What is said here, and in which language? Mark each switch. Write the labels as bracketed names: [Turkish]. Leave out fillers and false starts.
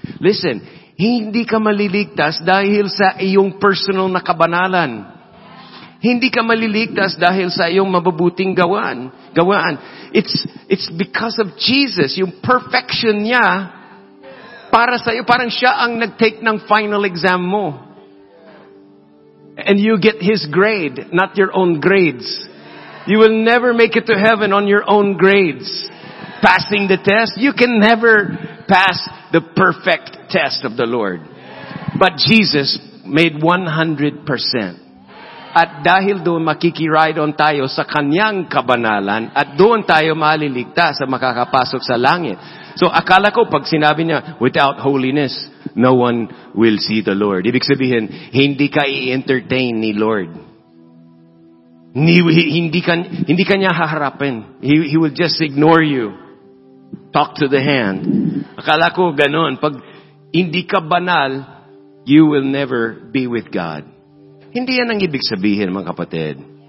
[Filipino] Listen, hindi ka maliligtas dahil sa iyong personal na kabanalan. Hindi ka maliligtas dahil sa iyong mabubuting gawaan. [English] It's because of Jesus, [Filipino] yung perfection niya para sa iyo. Parang siya ang nag-take ng final exam mo. [English] And you get his grade, not your own grades. You will never make it to heaven on your own grades. passing the test. You can never pass the perfect test of the Lord. But Jesus made 100%. [Filipino] At dahil doon makikiride on tayo sa kanyang kabanalan at doon tayo maliligtas sa makakapasok sa langit. So akala ko pag sinabi niya, [English] without holiness, no one will see the Lord. [Filipino] Ibig sabihin, hindi ka i-entertain ni Lord. Hindi ka niya haharapin. [English] He will just ignore you. Talk to the hand. [Filipino] Akala ko ganun. Pag hindi ka banal, [English] you will never be with God. [Filipino] Hindi yan ang ibig sabihin, mga kapatid.